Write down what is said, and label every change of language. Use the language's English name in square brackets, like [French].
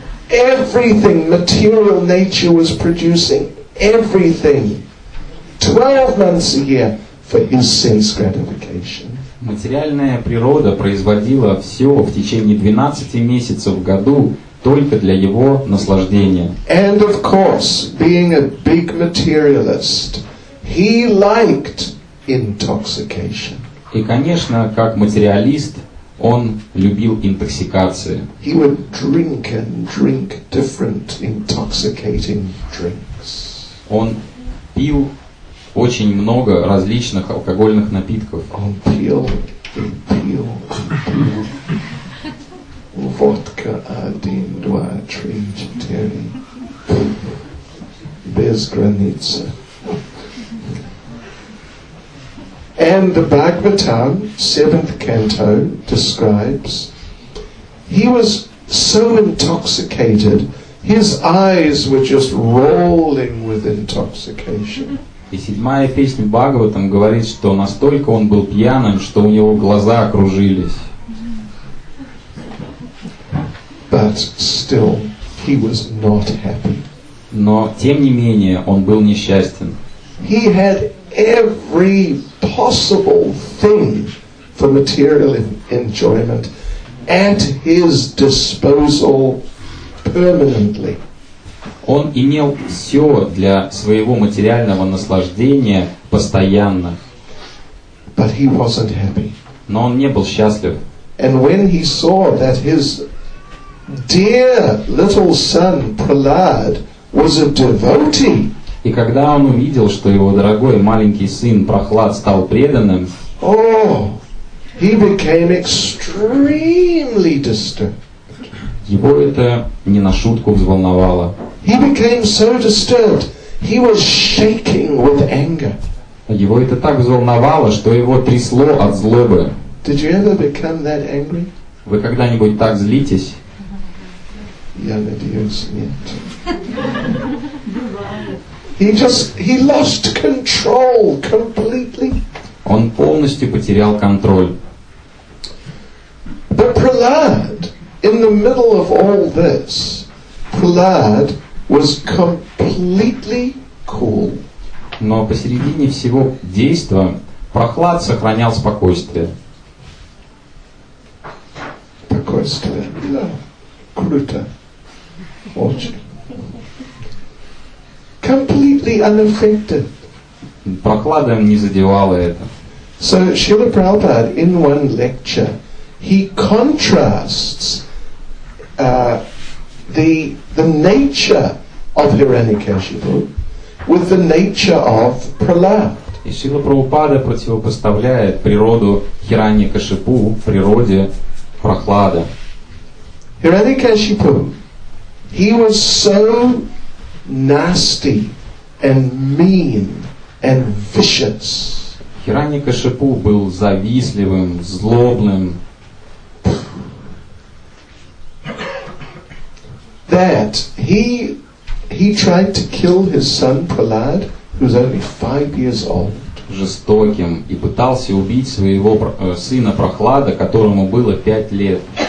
[English] Everything, material nature was producing everything 12 months a year for his sense gratification. [Russian] Материальная природа производила все в течение 12 месяцев в году только для его наслаждения. [English] And of course, being a big materialist, he liked intoxication. [Russian] И, конечно, как материалист, он любил интоксикацию. [English] He would drink and drink different intoxicating drinks. [Russian] Он пил очень много различных алкогольных напитков. Он пил, пил, пил. Водка один, два, три, четыре. Без границы. [English] And the Bhagavatam, 7th canto, describes he was so intoxicated, his eyes were just rolling with intoxication. [Russian] И седьмая песня Бхагаватам говорит, что настолько он был пьяным, что у него глаза окружились. [English] But still, he was not happy. [Russian] Но, тем не менее, он был несчастен. [English] He had every possible thing for material enjoyment at his disposal permanently. [Russian] Он имел все для своего материального наслаждения постоянно. [English] But he wasn't happy. [Russian] Но он не был счастлив. [English] And when he saw that his dear little son Prahlad was a devotee, [Russian] и когда он увидел, что его дорогой маленький сын Прохлад стал преданным, [English] he became extremely disturbed. [Russian] Его это не на шутку взволновало. [English] He became so disturbed, he was shaking with anger. [Russian] Его это так взволновало, что его трясло от злобы. [English] Did you ever become that angry? [Russian] Вы когда-нибудь так злитесь? Я надеюсь, нет. [English] He lost control completely. [Russian] Он полностью потерял контроль. [English] But Prahlad, in the middle of all this, Prahlad was completely cool. [Russian] Но посередине всего действа Прохлад сохранял спокойствие. Спокойствие. Да. Круто. Очень. [English] Completely unaffected. [Russian] Прохладом не задевало это. [English] So Srila Prabhupada in one lecture he contrasts the nature of Hiranyakashipu with the nature of Prahlad. [Russian] И Srila Prabhupada противопоставляет природу Hiranyakashipu природе Прохлада. [English] Hiranyakashipu, he was so nasty and mean and vicious. [Russian] Hiranyakashipu был завистливым, злобным. [English] That he tried to kill his son Prahlad, who was only 5 years old. [Russian] Жестоким и пытался убить своего сына Прохлада, которому было 5 лет.